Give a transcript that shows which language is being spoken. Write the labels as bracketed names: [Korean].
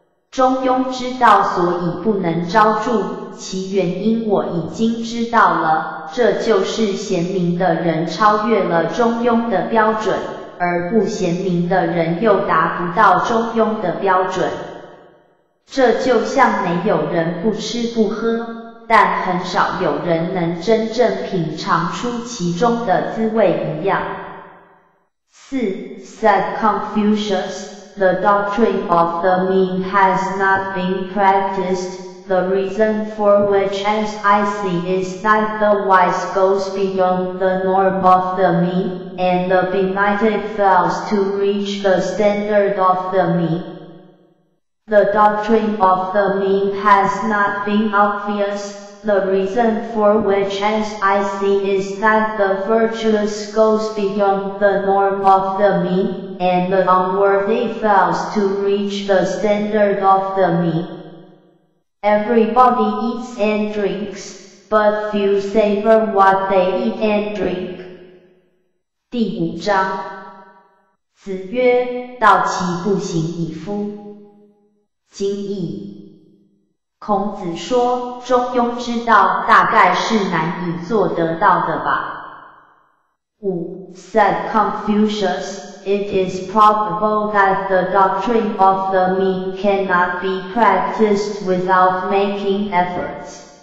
[Chinese] 中庸之道所以不能昭著，其原因我已经知道了，这就是贤明的人超越了中庸的标准，而不贤明的人又达不到中庸的标准。这就像没有人不吃不喝，但很少有人能真正品尝出其中的滋味一样。四 [English] said Confucius, the doctrine of the Mi has not been practiced, the reason for which as I see is that the wise goes beyond the norm of the Mi. And the benighted fails to reach the standard of the Mi. The doctrine of the Mi has not been obvious, the reason for which as I see is that the virtuous goes beyond the norm of the Mi, and the unworthy fails to reach the standard of the Mi. Everybody eats and drinks, but few savor what they eat and drink. [Chinese] 第五章。子曰：道其不行矣夫。今义孔子说，中庸之道大概是难以做得到的吧。五 [English] said Confucius, it is probable that the doctrine of the Mi cannot be practiced without making efforts.